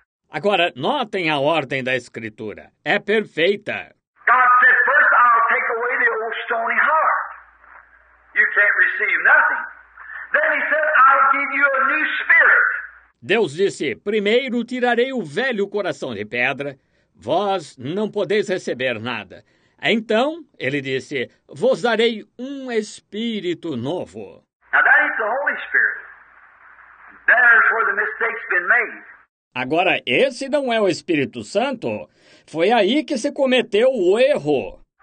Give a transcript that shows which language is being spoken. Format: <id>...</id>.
<pt>Agora, notem a ordem da Escritura. É perfeita.</pt> <en>God said, first I'll take away the old stony heart. You can't receive nothing. Then he said, I'll give you a new spirit.</en> <pt>Deus disse, primeiro tirarei o velho coração de pedra. Vós não podeis receber nada. Então, ele disse, vos darei um espírito novo.</pt> <en>Now that is the Holy Spirit. There's where the mistake's been made.</en> <pt>Agora, esse não é o Espírito Santo. Foi aí que se cometeu o erro.</pt>